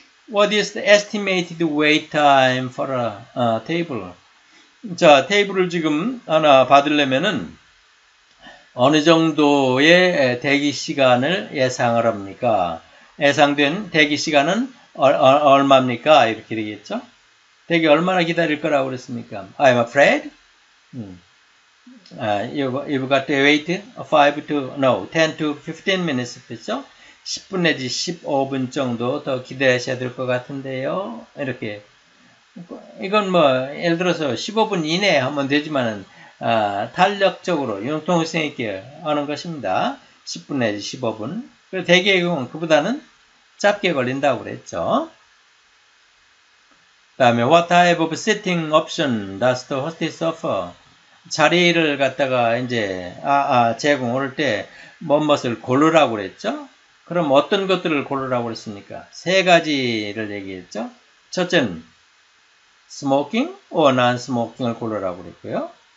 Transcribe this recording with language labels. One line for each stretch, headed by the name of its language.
English: What is the estimated wait time for a table?
Korean: 자, 테이블을 지금 하나 받으려면은 어느 정도의 대기 시간을 예상을 합니까? 예상된 대기 시간은 얼마입니까? 이렇게 되겠죠? 대기 얼마나 기다릴 거라고 그랬습니까?
English: I'm afraid. You've got to wait 10 to 15 minutes,
Korean: 그렇죠? 10분 내지 15분 정도 더 기다리셔야 될 것 같은데요. 이렇게. 이건 뭐, 예를 들어서 15분 이내에 하면 되지만은, 탄력적으로 융통성 있게 하는 것입니다. 10분 내지 15분. 대개의 경우는 그보다는 짧게 걸린다고 그랬죠. 다음에,
English: What type of sitting option does the hostess offer?
Korean: 자리를 갖다가 이제, 제공할 때, 무엇을 고르라고 그랬죠? 그럼 어떤 것들을 고르라고 그랬습니까? 세 가지를 얘기했죠. 첫째는
English: smoking or non-smoking
Korean: 을 고르라고 그랬고요.